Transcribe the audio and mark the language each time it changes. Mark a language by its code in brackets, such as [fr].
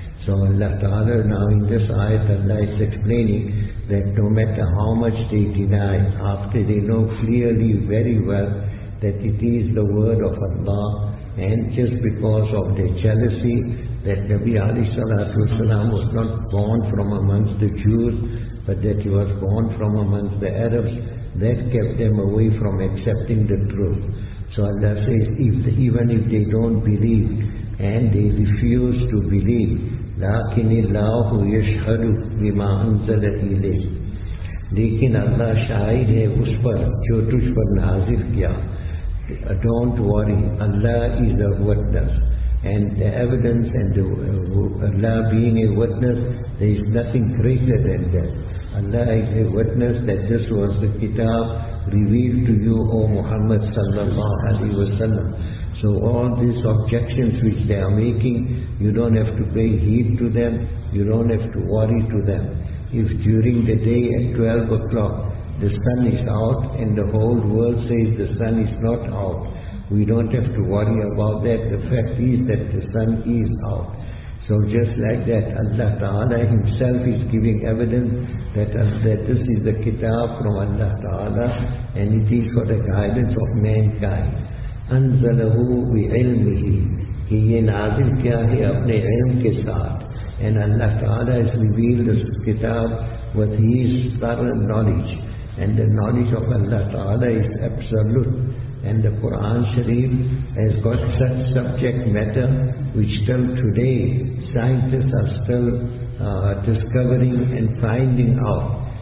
[en] So Allah Ta'ala now in this ayat Allah is explaining that no matter how much they deny, after they know clearly very well that it is the word of Allah, and just because of their jealousy that Nabi alayhi salatu wasalam was not born from amongst the Jews, but that he was born from amongst the Arabs, that kept them away from accepting the truth. So Allah says, even if they don't believe, and they refuse to believe, [ar] لَكِنِ اللَّهُ يَشْهَدُ بِمَا أَنزَلَ إِلَيْهِ, [ur] لیکن اللہ شاہد ہے اس پر جو تجھ پر نازل کیا. [en] Don't worry, Allah is a witness. And the evidence and the Allah being a witness, there is nothing greater than that. Allah is a witness that this was the kitab revealed to you, O Muhammad sallallahu alayhi wa sallam. So all these objections which they are making, you don't have to pay heed to them, you don't have to worry to them. If during the day at 12 o'clock the sun is out and the whole world says the sun is not out, we don't have to worry about that. The fact is that the sun is out. So just like that, Allah Ta'ala himself is giving evidence that this is the kitab from Allah Ta'ala and it is for the guidance of mankind. [ar] أَنزَلَهُ بِعِلْمِهِ, [ur] کہ یہ نازل کیا ہے اپنے علم کے ساتھ. [en] And Allah Ta'ala has revealed this kitab with his thorough knowledge, and the knowledge of Allah Ta'ala is absolute. And the Quran Sharif has got such subject matter which till today scientists are still discovering and finding out.